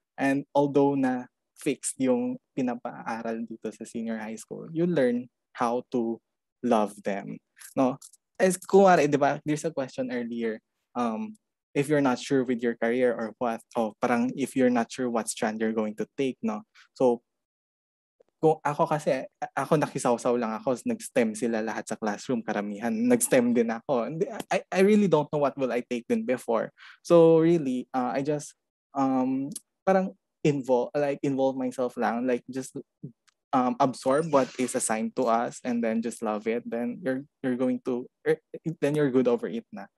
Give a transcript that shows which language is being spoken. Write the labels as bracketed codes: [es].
[en] And although [tl] na fixed yung pinapaaral dito [en] sa senior high school, you learn how to love them, no? As kumare, di ba, there's a question earlier, if you're not sure with your career or what, oh, parang if you're not sure what strand you're going to take, no? [tl] So, kung ako kasi, ako nakisawsaw lang ako, nag-STEM sila lahat sa classroom, karamihan, nag-STEM din ako. [en] I really don't know what will I take din before. So, really, I just, parang involve myself lang, like just absorb what is assigned to us and then just love it, then you're good over it na.